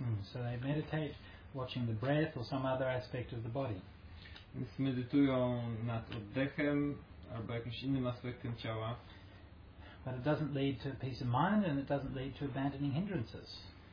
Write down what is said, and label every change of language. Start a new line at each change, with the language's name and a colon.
English: So they meditate watching the breath or some other aspect of the body.
Polish: Więc medytują nad oddechem albo jakimś innym aspektem ciała.
English: But it doesn't lead to peace of mind, and it doesn't lead to abandoning hindrances.